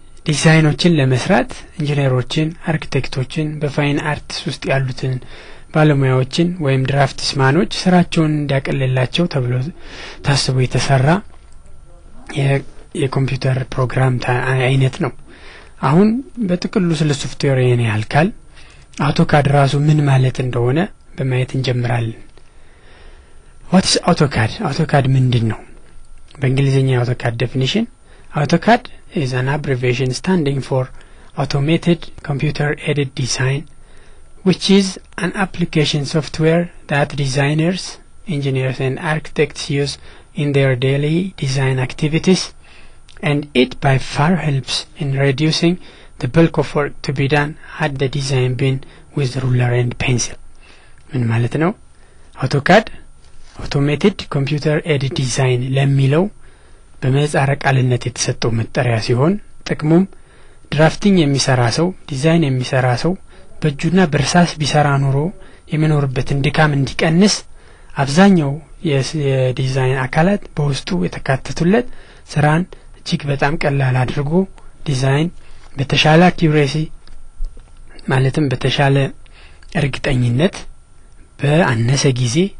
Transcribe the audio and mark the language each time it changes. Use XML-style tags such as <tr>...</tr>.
<am>ዲዛይኖችን ለመስራት ኢንጂነሮችን፣ አርክቴክቶችን፣ በፋይን አርትስ ውስጥ ያሉትን ባለሙያዎችን ወይም ድራፍትስማኖች ስራቸውን እንዲያቀልላቸው ተብሎ ታስቦ የተሰራ የኮምፒውተር ፕሮግራም አይነት ነው። አሁን በጥቅሉ ስለ ሶፍትዌር ይሄን ያልካል አውቶካድ ራሱ ምን ማለት እንደሆነ በማየት እንጀምራለን። What is AutoCAD? AutoCAD ምንድነው?</am> <en>በእንግሊዘኛ AutoCAD definition AutoCAD is an abbreviation standing for Automated Computer Aided Design, which is an application software that designers, engineers and architects use in their daily design activities, and it by far helps in reducing the bulk of work to be done at the design bin with ruler and pencil. ምን ማለት ነው?</en> <am>AutoCAD Automated Computer Aided Design ለሚለው በመጻረ ቃልነት የተሰጠው መጠሪያ ሲሆን ጥቅሙም ድራፍቲንግ የሚሰራ ሰው ዲዛይን የሚሰራ ሰው በእጁና በርሳስ ቢሰራ ኑሮ የሚኖርበትን ድካም እንዲቀንስ አብዛኛው የዲዛይን አካላት በውስጡ የተካተቱለት ስራን እጅግ በጣም ቀላል አድርጎ ዲዛይን በተሻለ አክዩሬሲ ማለትም በተሻለ እርግጠኝነት በአነሰ ጊዜ</am>